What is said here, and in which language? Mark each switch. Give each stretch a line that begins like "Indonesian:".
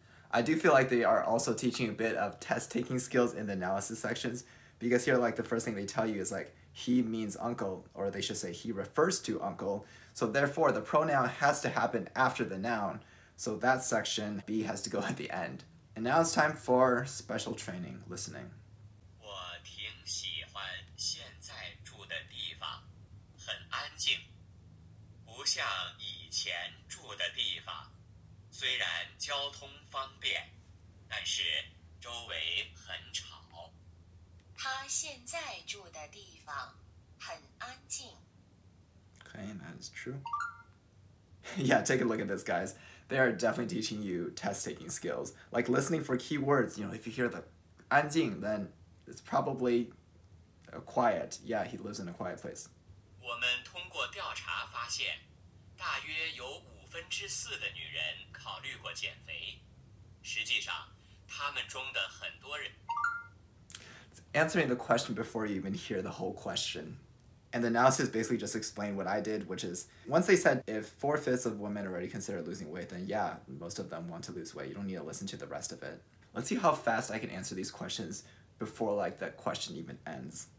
English: I do feel like they are also teaching a bit of test-taking skills in the analysis sections, because here, like, the first thing they tell you is, like, he means uncle, or they should say he refers to uncle, so therefore the pronoun has to happen after the noun, so that section B has to go at the end. And now it's time for special training, listening.
Chinese: 现在住的地方很安静。不像以前住的地方，虽然交通方便，但是周围很吵。他现在住的地方很安静。
English: Okay, that is true. Yeah, take a look at this, guys. They are definitely teaching you test-taking skills, like listening for keywords. You know, if you hear the 安静, then it's probably quiet. Yeah, he lives in a quiet place.
Chinese: 我们通过调查发现，大约有五分之四的女人考虑过减肥。实际上，她们中的很多人。
English: Answering the question before you even hear the whole question. And the analysis basically just explained what I did, which is, once they said if 4/5 of women already consider losing weight, then yeah, most of them want to lose weight. You don't need to listen to the rest of it. Let's see how fast I can answer these questions before like the question even ends.